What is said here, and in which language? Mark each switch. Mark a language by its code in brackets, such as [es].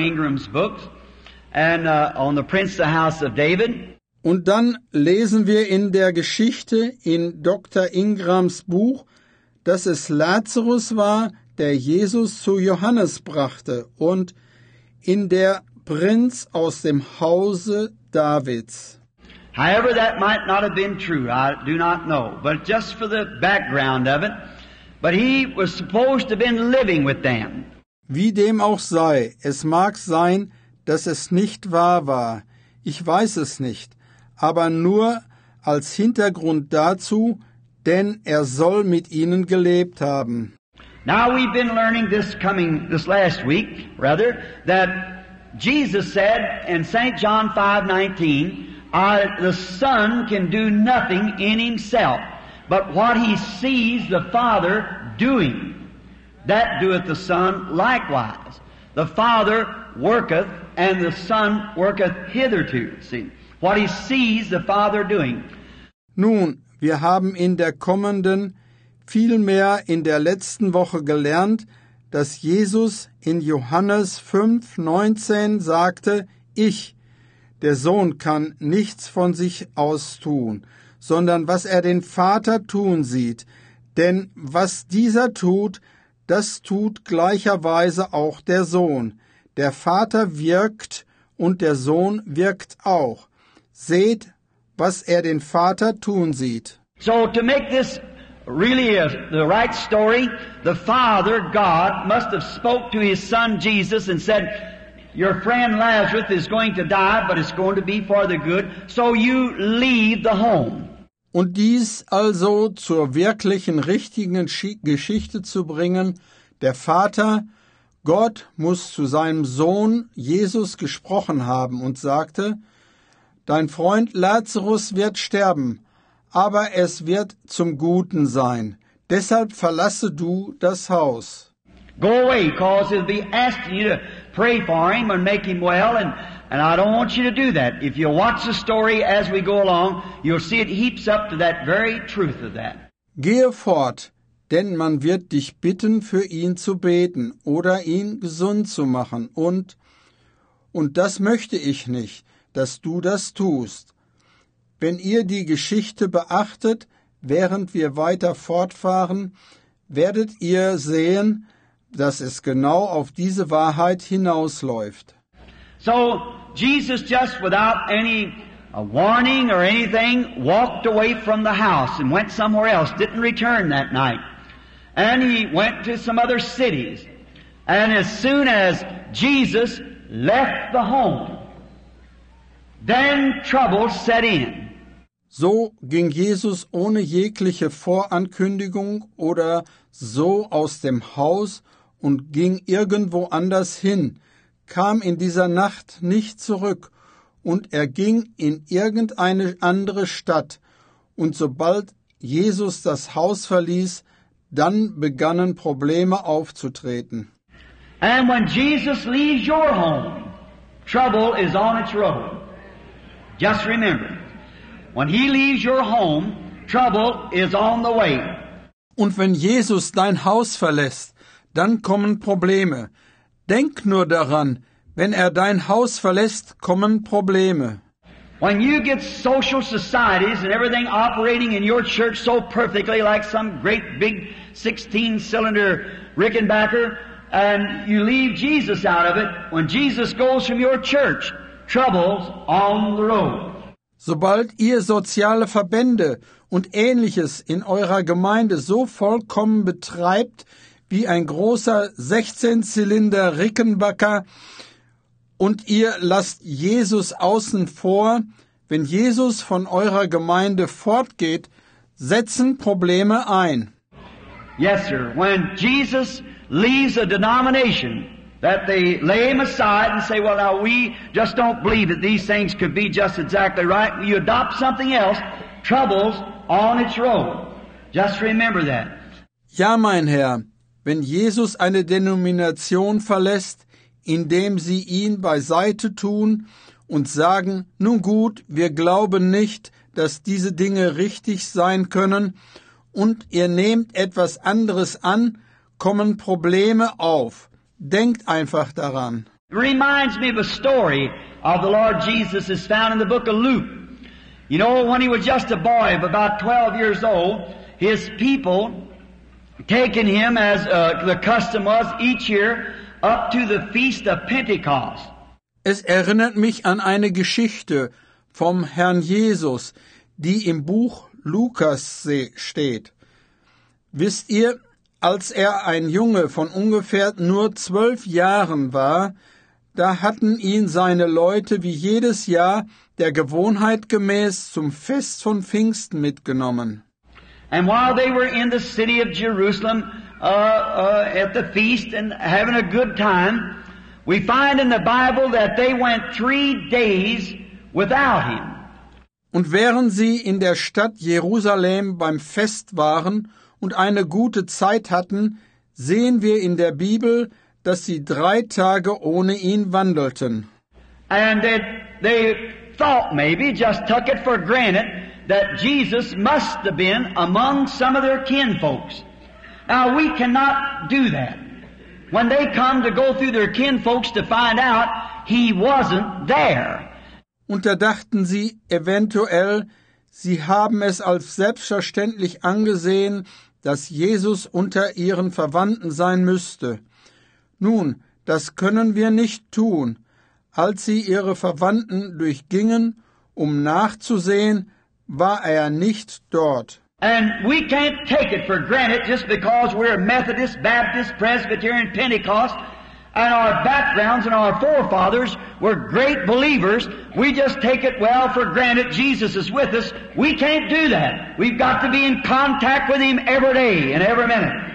[en] Ingram's books and on the Prince of the House of David. [de] Und dann lesen wir in der Geschichte in Dr. Ingrams Buch, dass es Lazarus war, der Jesus zu Johannes brachte und in der Prinz aus dem Hause Davids. [en] However, that might not have been true. I do not know. But just for the background of it, but he was supposed to have been living with them. [de] Wie dem auch sei, es mag sein, dass es nicht wahr war. Ich weiß es nicht. Aber nur als Hintergrund dazu, denn er soll mit ihnen gelebt haben. [en] Now we've been learning this last week, that Jesus said in St. John 5:19, the Son can do nothing in himself, but what he sees the Father doing, that doeth the Son likewise. The Father worketh, and the Son worketh hitherto. See, what he sees the Father doing. [de] Nun, wir haben in der kommenden, vielmehr in der letzten Woche gelernt, dass Jesus in Johannes 5:19 sagte, ich, der Sohn, kann nichts von sich aus tun, sondern was er den Vater tun sieht. Denn was dieser tut, das tut gleicherweise auch der Sohn. Der Vater wirkt und der Sohn wirkt auch. Seht, was er den Vater tun sieht. [en] So to make this really the right story, the Father, God, must have spoke to his son Jesus and said, Your friend Lazarus is going to die, but it's going to be for the good. So you leave the home. [de] Und dies also zur wirklichen richtigen Geschichte zu bringen, der Vater, Gott, muss zu seinem Sohn Jesus gesprochen haben und sagte, dein Freund Lazarus wird sterben, aber es wird zum Guten sein. Deshalb verlasse du das Haus. [en] Go away, because he'll be asking you to pray for him and make him well, and I don't want you to do that. If you watch the story as we go along, you'll see it heaps up to that very truth of that. [de] Gehe fort, denn man wird dich bitten, für ihn zu beten oder ihn gesund zu machen, und das möchte ich nicht, dass du das tust. Wenn ihr die Geschichte beachtet, während wir weiter fortfahren, werdet ihr sehen, dass es genau auf diese Wahrheit hinausläuft. [en] So Jesus just without any warning or anything walked away from the house and went somewhere else, didn't return that night. And he went to some other cities. And as soon as Jesus left the home, then trouble set in. [de] So ging Jesus ohne jegliche Vorankündigung oder so aus dem Haus und ging irgendwo anders hin, kam in dieser Nacht nicht zurück, und er ging in irgendeine andere Stadt. Und sobald Jesus das Haus verließ, dann begannen Probleme aufzutreten. [en] And when Jesus leaves your home, trouble is on its road. Just remember, when he leaves your home, trouble is on the way. [de] Und wenn Jesus dein Haus verlässt, dann kommen Probleme. Denk nur daran, wenn er dein Haus verlässt, kommen Probleme. [en] When you get social societies and everything operating in your church so perfectly like some great big 16-cylinder Rickenbacker, and you leave Jesus out of it, when Jesus goes from your church, trouble's on the road. [de] Sobald ihr soziale Verbände und Ähnliches in eurer Gemeinde so vollkommen betreibt wie ein großer 16-Zylinder-Rickenbacker und ihr lasst Jesus außen vor, wenn Jesus von eurer Gemeinde fortgeht, setzen Probleme ein. [en] Yes, sir. When Jesus leaves a denomination that they lay him aside and say, well, now we just don't believe that these things could be just exactly right. You adopt something else, trouble's on its road. Just remember that. [de] Ja, mein Herr, wenn Jesus eine Denomination verlässt, indem sie ihn beiseite tun und sagen, nun gut, wir glauben nicht, dass diese Dinge richtig sein können, und ihr nehmt etwas anderes an, kommen Probleme auf. Denkt einfach daran. [en] Reminds me of a story of the Lord Jesus is found in the book of Luke. You know, when he was just a boy of about 12 years old, his people taken him, as the custom was each year, up to the feast of Pentecost. [de] Es erinnert mich an eine Geschichte vom Herrn Jesus, die im Buch Lukas steht. Wisst ihr, als er ein Junge von ungefähr nur 12 Jahren war, da hatten ihn seine Leute wie jedes Jahr der Gewohnheit gemäß zum Fest von Pfingsten mitgenommen. [en] And while they were in the city of Jerusalem at the feast and having a good time, we find in the Bible that they went 3 days without him. [de] Und während sie in der Stadt Jerusalem beim Fest waren und eine gute Zeit hatten, sehen wir in der Bibel, dass sie 3 Tage ohne ihn wandelten. [en] And they thought maybe, just took it for granted, that Jesus must have been among some of their kinfolks. Now, we cannot do that. When they come to go through their kinfolks to find out, he wasn't there. [de] Und da dachten sie eventuell, sie haben es als selbstverständlich angesehen, dass Jesus unter ihren Verwandten sein müsste. Nun, das können wir nicht tun. Als sie ihre Verwandten durchgingen, um nachzusehen, war er nicht dort. [en] And we can't take it for granted just because we're Methodist, Baptist, Presbyterian, Pentecost, And our backgrounds and our forefathers were great believers. We just take it well for granted Jesus is with us. We can't do that. We've got to be in contact with Him every day and every minute.